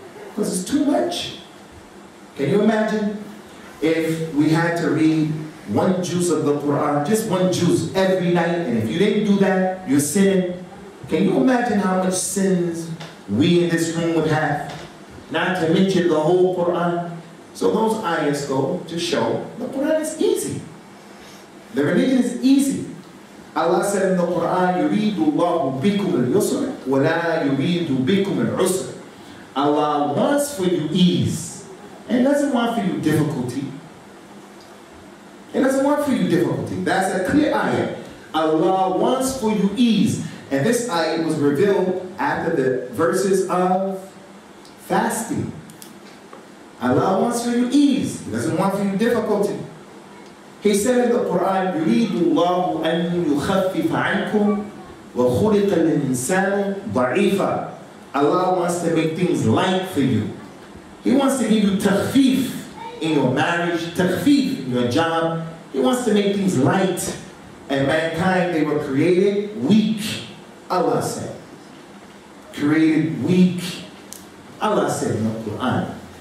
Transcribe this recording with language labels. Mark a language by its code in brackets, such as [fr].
[en] Because it's too much. Can you imagine if we had to read one juz of the Quran, just one juz every night, and if you didn't do that, you're sinning? Can you imagine how much sins we in this room would have? Not to mention the whole Quran. So those ayahs go to show the Quran is easy. The religion is easy. Allah said in the Quran, [ar] يُرِيدُ اللَّهُ بِكُمْ الْيُسْرَ وَلَا يُرِيدُ بِكُمْ الْعُسْرَ. [en] Allah wants for you ease and doesn't want for you difficulty. It doesn't want for you difficulty. That's a clear ayah. Allah wants for you ease. And this ayah was revealed after the verses of fasting. Allah wants for you ease. He doesn't want for you difficulty. He said in the Quran, [ar] يُرِيدُ اللَّهُ أَن يُخَفِّفَ عَنْكُمْ وَخُلِقَ الْإِنسَانُ ضَعِيفًا. [en] Allah wants to make things light for you. He wants to give you takhfif in your marriage, takhfif in your job. He wants to make things light. And mankind, they were created weak, Allah said. Created weak, Allah said in the Quran.